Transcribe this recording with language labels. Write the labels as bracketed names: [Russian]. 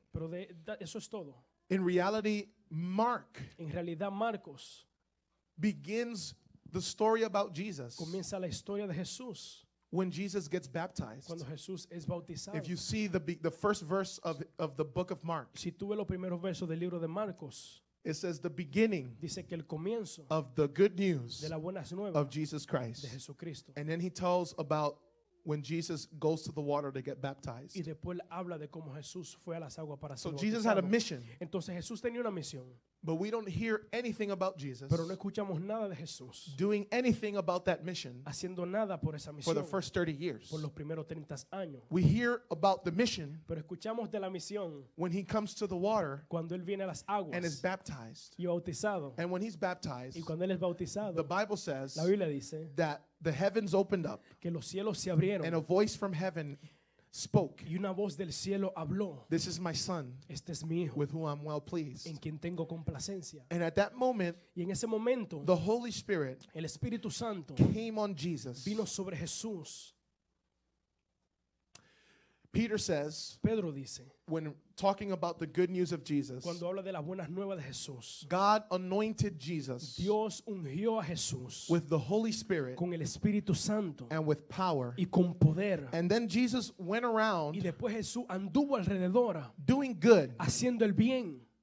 [Spanish] Pero de, eso es todo. [English] In reality, Mark. [Spanish] En realidad Marcos. [English] Begins the story about Jesus. [Spanish] Comienza la historia de Jesús. [English] When Jesus gets baptized. [Spanish] Cuando Jesús es bautizado. [English] If you see the first verse of the book of Mark. [Spanish] Si tú ves los primeros versos del libro de Marcos. [English] It says the beginning. [Spanish] Dice que el comienzo. [English] Of the good news. [Spanish] De las buenas nuevas. [English] Of Jesus Christ. [Spanish] De Jesucristo. [English] And then he tells about when Jesus goes to the water to get baptized. [Spanish] Y después habla de cómo Jesús fue a las aguas para ser bautizado. [English] So Jesus had a mission. [Spanish] Entonces Jesús tenía una misión. [English] But we don't hear anything about Jesus, [Spanish] pero no escuchamos nada de Jesús, [English] doing anything about that mission, [Spanish] haciendo nada por esa misión, [English] for the first 30 years. [Spanish] Por los primeros 30 años. [English] We hear about the mission, [Spanish] pero escuchamos de la misión, [English] when he comes to the water, [Spanish] cuando él viene a las aguas, [English] and is baptized, [Spanish] y bautizado. [English] And when he's baptized, [Spanish] y cuando él es bautizado, [English] the Bible says, [Spanish] la Biblia dice, [English] that the heavens opened up, [Spanish] que los cielos se abrieron, [English] and a voice from heaven spoke. [Spanish] Y una voz del cielo habló. [English] This is my son. [Spanish] Este es mi hijo. [English] With whom I'm well pleased. [Spanish] En quien tengo complacencia. [English] And at that moment, [Spanish] y en ese momento, [English] the Holy Spirit, [Spanish] el Espíritu Santo, [English] came on Jesus. [Spanish] Vino sobre Jesús. [English] Peter says, [Spanish] Pedro dice, [English] when talking about the good news of Jesus, [Spanish] cuando habla de las buenas nuevas de Jesús, [English] God anointed Jesus, [Spanish] Dios ungió a Jesús, [English] with the Holy Spirit, [Spanish] con el Espíritu Santo, [English] and with power, [Spanish] y con poder. [English] And then Jesus went around, [Spanish] y después Jesús anduvo alrededor, [English] doing good, [Spanish] haciendo el bien,